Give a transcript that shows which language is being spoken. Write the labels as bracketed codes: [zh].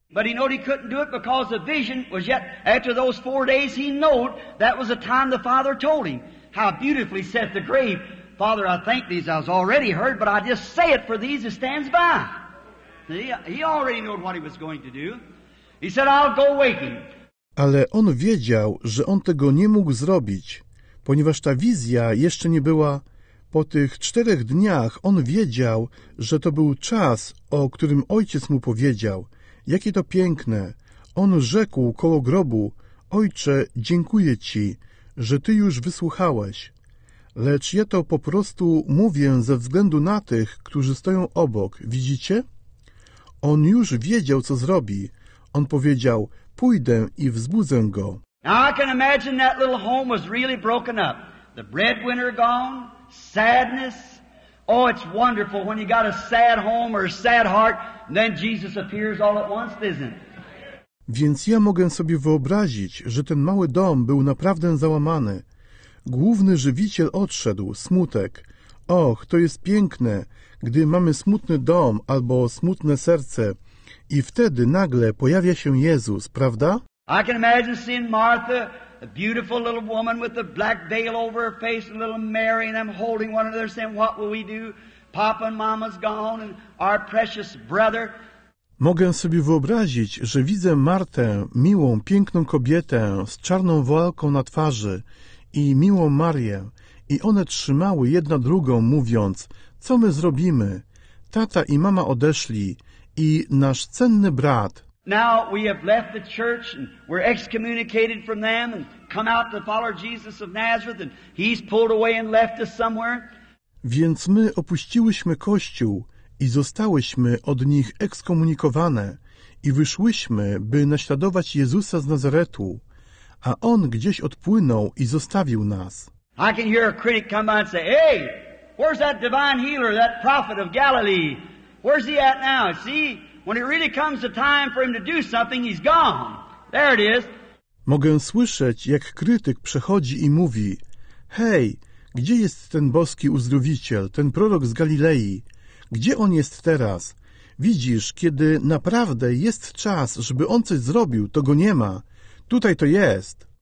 [en] But he knew he couldn't do it because the vision was yet after those 4 days he knew that was the time the Father told him. How beautifully said the grave, Father, I thank thee, I was already heard, but I just say it for these that stands by. He already knew what he was going to do. He said, I'll go waking. [pl] Ale on wiedział, że on tego nie mógł zrobić. Ponieważ ta wizja jeszcze nie była, po tych 4 dniach on wiedział, że to był czas, o którym ojciec mu powiedział. Jakie to piękne! On rzekł koło grobu, Ojcze, dziękuję Ci, że Ty już wysłuchałeś. Lecz ja to po prostu mówię ze względu na tych, którzy stoją obok, widzicie? On już wiedział, co zrobi. On powiedział, pójdę i wzbudzę go. [en] Now I can imagine that little home was really broken up. The breadwinner gone, sadness. Oh, it's wonderful when you got a sad home or a sad heart, and then Jesus appears all at once, isn't it? [pl] Więc ja mogę sobie wyobrazić, że ten mały dom był naprawdę załamany. Główny żywiciel odszedł, smutek. Och, to jest piękne, gdy mamy smutny dom albo smutne serce i wtedy nagle pojawia się Jezus, prawda? [en] I can imagine seeing Martha, a beautiful little woman with a black veil over her face, and little Mary, and them holding one another, saying, what will we do? Papa and Mama's gone, and our precious brother. [pl] Mogę sobie wyobrazić, że widzę Martę, miłą, piękną kobietę z czarną woalką na twarzy i miłą Marię, i one trzymały jedna drugą, mówiąc, co my zrobimy? Tata i mama odeszli, i nasz cenny brat... [en] Now we have left the church and we're excommunicated from them and come out to follow Jesus of Nazareth and he's pulled away and left us somewhere. [pl] Więc my opuściłyśmy kościół i zostałyśmy od nich ekskomunikowane i wyszłyśmy, by naśladować Jezusa z Nazaretu, a on gdzieś odpłynął i zostawił nas. [en] I can hear a critic come by and say, hey, where's that divine healer, that prophet of Galilee? Where's he at now? See? When it really comes the time for him to do something, he's gone. There it is. [pl] Mogę słyszeć, jak krytyk przechodzi i mówi, hej, gdzie jest ten boski uzdrowiciel, ten prorok z Galilei? Gdzie on jest teraz? Widzisz, kiedy naprawdę jest czas, żeby on coś zrobił, to go nie ma. Tutaj to jest.